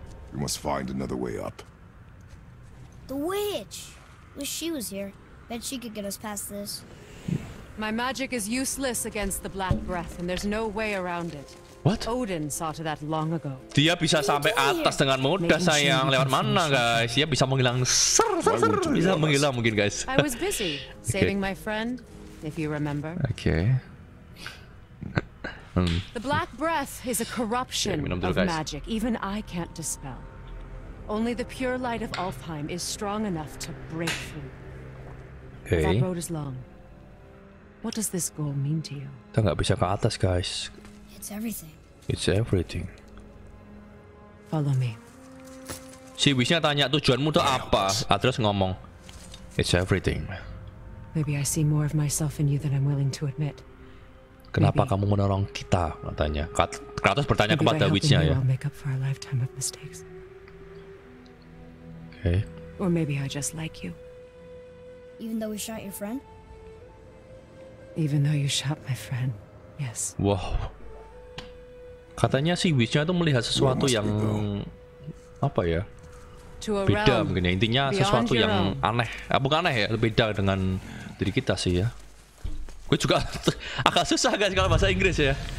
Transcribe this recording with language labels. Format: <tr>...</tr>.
<en>You must find another way up. The witch. Wish she was here. Bet she could get us past this. My magic is useless against the black breath and there's no way around it. What? Odin saw to that long ago.</en> <id>Dia bisa sampai atas dengan mudah sayang. Lewat mana guys? Dia bisa menghilang. Bisa menghilang mungkin guys.</id> <en>I was busy saving my friend, if you remember. Okay. The black breath is a corruption of magic even I can't dispel. Only the pure light of Alfheim is strong enough to break through. Okay. That road is long. What does this goal mean to you?</en> <id>Kita nggak bisa ke atas, guys.</id> <en>It's everything. It's everything. Follow me.</en> <id>Si wishnya tanya tujuanmu itu apa? Atreus ngomong,</id> <en>it's everything. Maybe I see more of myself in you than I'm willing to admit.</en> <id>Kenapa kamu menolong kita? Katanya. Kratos bertanya kepada wishnya ya.</id> <en>I'll make up for a lifetime of mistakes. Okay. Or maybe I just like you. Even though we shot your friend. Even though you shot my friend, yes. Wow.</en> <id>Katanya si Wishnya itu melihat sesuatu yang apa ya? Beda mungkin ya. Intinya sesuatu yang aneh. Bukan aneh ya, beda dengan diri kita sih ya. Gue juga agak susah guys kalau bahasa Inggris ya.</id>